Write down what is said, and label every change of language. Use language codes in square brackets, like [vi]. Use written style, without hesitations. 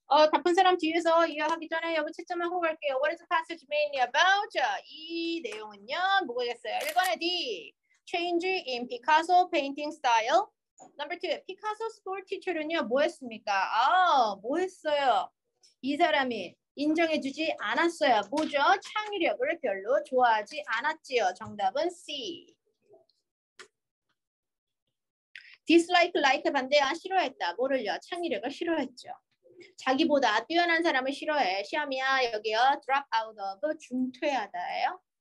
[ko] 답은 사람 뒤에서 이야기하기 전에 여기 채점을 하고 갈게요. [en] What is the passage mainly about? [ko] 이 내용은요. 뭐겠어요? 1번에 D. [en] Change in Picasso painting style. Number 2. [ko] Picasso school teacher는요. 뭐 했습니까? 아, 뭐 했어요? 이 사람이 인정해주지 않았어요. 뭐죠? 창의력을 별로 좋아하지 않았지요. 정답은 C. Dislike, like 반대야. 싫어했다. 뭐를요? 창의력을 싫어했죠. 자기보다 뛰어난 사람을 싫어해. 시험이야. 여기요. [en] Drop out of [ko] 중퇴하다예요.